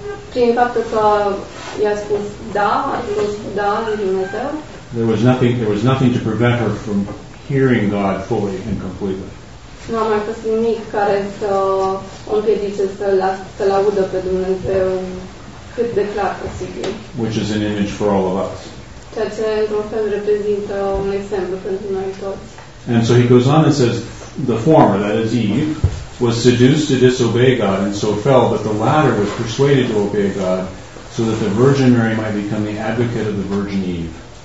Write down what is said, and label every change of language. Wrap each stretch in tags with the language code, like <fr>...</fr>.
<ro>prin faptul că i-a spus da, a spus da lui Dumnezeu,</ro> <en>there was nothing to prevent her from hearing God fully and completely.</en> <ro>Nu a mai fost nimic care să o împiedice să-L audă pe Dumnezeu cât de clar posibil.</ro> <en>Which is an image for all of us.</en> <ro>Ceea ce, într-un fel, reprezintă un exemplu pentru noi toți.</ro> <en>And so he goes on and says, the former, that is Eve, was seduced to disobey God and so fell, but the latter was persuaded to obey God so that the Virgin Mary might become the advocate of the Virgin Eve.</en>